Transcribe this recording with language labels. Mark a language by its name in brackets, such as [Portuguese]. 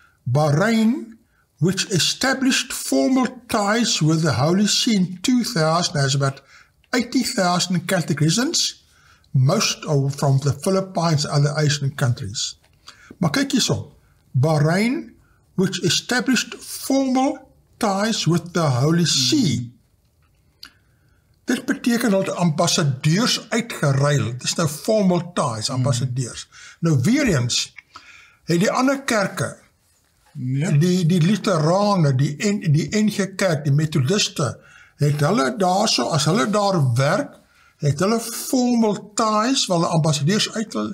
[English] Bahrain, which established formal ties with the Holy See in 2000, has about 80,000 Catholic residents, most are from the Philippines and other Asian countries. [Afrikaans] Maar kijk hierso, Bahrain, [English] which established formal ties with the Holy See. [Afrikaans] Dit beteken dat ambassadeurs uitgeruil. Dit is nou formal ties, ambassadeurs. Nou weer eens, het die ander kerke, die Lutheranen, die NG Kerk, die Methodisten, het hulle daar so, as hulle daar werk, het hulle formal ties, wel de ambassadeurs uit...